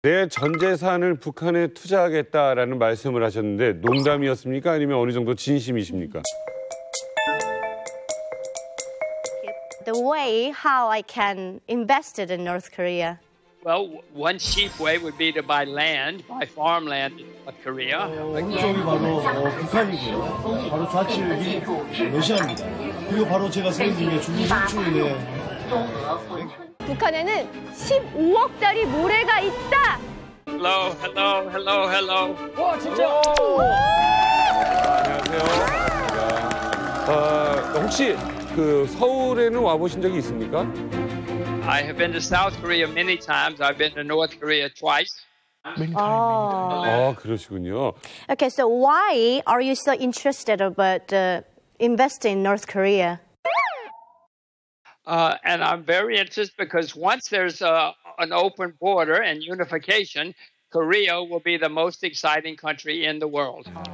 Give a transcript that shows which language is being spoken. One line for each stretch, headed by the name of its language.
Korean: 내 전 재산을 북한에 투자하겠다라는 말씀을 하셨는데 농담이었습니까? 아니면 어느 정도 진심이십니까?
English: The way how I can invest it in North Korea. Well, one cheap way would be to buy land, buy farmland in Korea.
Korean: 공정이 바로 북한이고요. 바로 좌측이 러시아입니다. 그리고 바로 제가 생긴 게 중국 수출이네. 북한에는 15억짜리 모래가 있다.
English: Hello, hello, hello, hello.
Korean: 와, 진짜. 오! 오! 아, 안녕하세요. 아, 혹시 그 서울에는 와 보신 적이 있습니까?
English: I have been to South Korea many times. I've been to North Korea twice. Many times.
Korean: 아, 그러시군요.
English: Okay, so why are you so interested about investing in North Korea? And I'm very interested because once there's an open border and unification, Korea will be the most exciting country in the world.